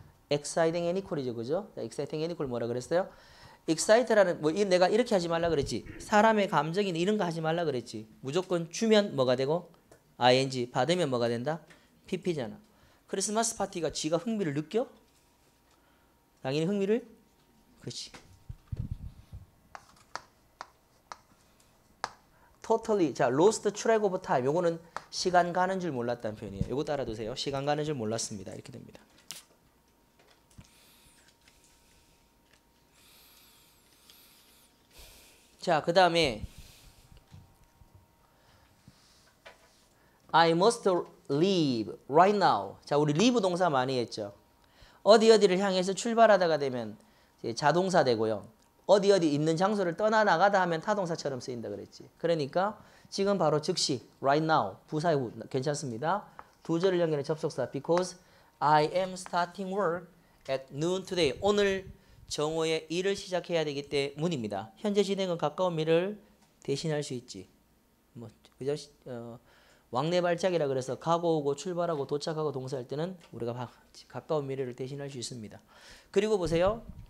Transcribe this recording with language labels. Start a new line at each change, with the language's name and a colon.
English: exciting and equal이죠.
Korean: 그죠?
English: exciting and equal
Korean: 뭐라 그랬어요? excite라는 뭐 내가 이렇게 하지 말라 그랬지. 사람의 감정이 이런 거 하지 말라 그랬지. 무조건 주면 뭐가 되고 ing 받으면 뭐가 된다? pp잖아. 크리스마스 파티가 지가 흥미를 느껴? 당연히 흥미를. 그렇지.
English: totally.
Korean: 자,
English: lost track of time.
Korean: 요거는 시간 가는 줄 몰랐다는 표현이에요. 요거 따라두세요. 시간 가는 줄 몰랐습니다. 이렇게 됩니다. 자, 그 다음에
English: I must leave right now.
Korean: 자, 우리 leave 동사 많이 했죠. 어디 어디를 향해서 출발하다가 되면 이제 자동사 되고요. 어디 어디 있는 장소를 떠나나가다 하면 타동사처럼 쓰인다 그랬지. 그러니까 지금 바로 즉시
English: right now
Korean: 부사의 괜찮습니다. 두 절을 연결해 접속사
English: because I am starting work at noon today.
Korean: 오늘 정오에 일을 시작해야 되기 때문입니다. 현재 진행은 가까운 미래를 대신할 수 있지. 뭐 그저 왕래 발작이라 그래서 가고 오고 출발하고 도착하고 동사할 때는 우리가 가까운 미래를 대신할 수 있습니다. 그리고 보세요.